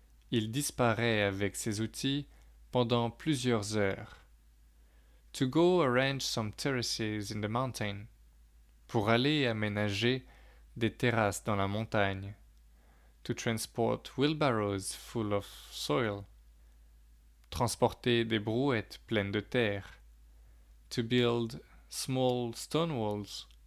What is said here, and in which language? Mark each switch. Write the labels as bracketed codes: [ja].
[fr] Il disparaît avec ses outils pendant plusieurs heures. [en] To go arrange some terraces in the mountain. [fr] Pour aller aménager des terrasses dans la montagne. [en] To transport wheelbarrows full of soil. [fr] Transporter des brouettes pleines de terre. [en] To build small stone walls.